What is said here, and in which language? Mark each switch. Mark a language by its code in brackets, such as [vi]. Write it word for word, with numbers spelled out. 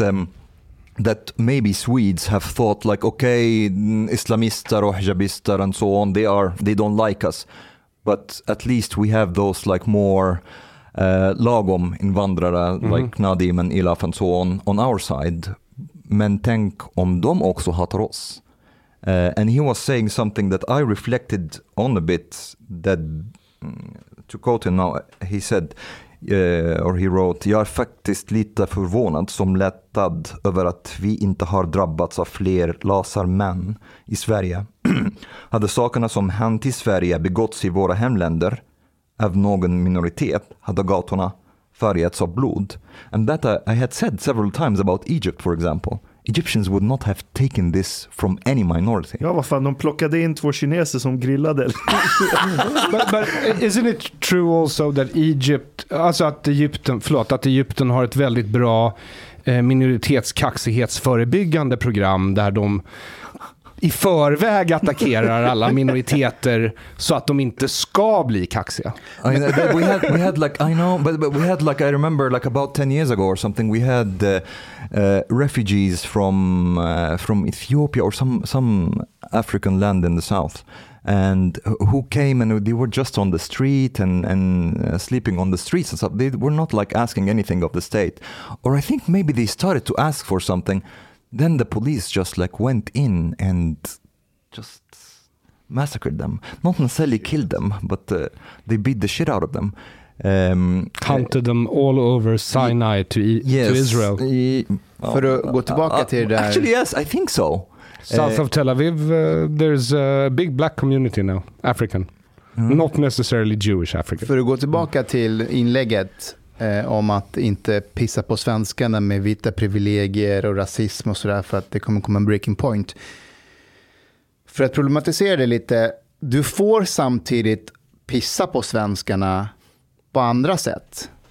[en] Um, That maybe Swedes have thought like, okay, Islamister or Hijabister and so on, they are they don't like us, but at least we have those like more uh, [sv] lagom invandrare [en] mm-hmm. like Nadim and Ilaf and so on on our side. [sv] Men tänk om de också hatar oss. [en] Uh, and he was saying something that I reflected on a bit. That to quote him now, he said. Uh, or he wrote, [sv] jag är faktiskt lite förvånad som lättad över att vi inte har drabbats av fler lasarmän i Sverige. Hade sakerna som hänt i Sverige begåtts i våra hemländer av någon minoritet hade gatorna färgats av blod. [en] And that I, I had said several times about Egypt, for example. Egyptians would not have taken this from any minority. [sv] Ja, vad fan, de plockade in två kineser som grillade. [en] but, but isn't it true also that Egypt, [sv] alltså att Egypten, förlåt, att Egypten har ett väldigt bra eh, minoritetskaxighetsförebyggande program där de i förväg attackerar alla minoriteter så att de inte ska bli kaxiga. [en] I, we had we had like I know but, but we had like I remember like about ten years ago or something we had uh, uh, refugees from uh, from Ethiopia or some some African land in the south and who came and they were just on the street and and uh, sleeping on the streets and stuff. They were not like asking anything of the state, or I think maybe they started to ask for something. Then the police just like went in and just massacred them. Not necessarily killed them, but uh, they beat the shit out of them. Um, Hunted uh, them all over Sinai y- to, e- yes, to Israel. [sv] Y- oh, För att gå tillbaka uh, uh, till det där. [en] Actually yes, I think so. South uh, of Tel Aviv, uh, there's a big black community now, African. Mm. Not necessarily Jewish African. [sv] För att gå tillbaka till inlägget. Eh, om att inte pissa på svenskarna med vita privilegier och rasism och sådär, för att det kommer komma en breaking point. För att problematisera det lite, du får samtidigt pissa på svenskarna på andra sätt.